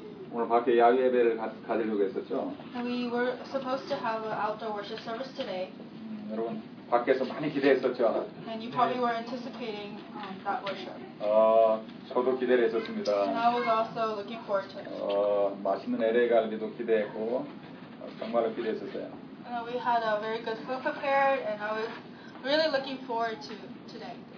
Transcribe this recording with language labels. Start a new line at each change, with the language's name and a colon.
Korean: 오늘 밖에 야외 예배를 가지려고 했었죠.
English: We were supposed to have an outdoor worship service today.
Korean: 여러분 밖에서 많이 기대했었죠.
English: And you probably were anticipating that worship.
Korean: 저도 기대를 했었습니다.
English: And I was also looking forward to it.
Korean: 맛있는 LA 갈비도 기대했고 정말로 기대했었어요.
English: And we had a very good food prepared, and I was really looking forward to today.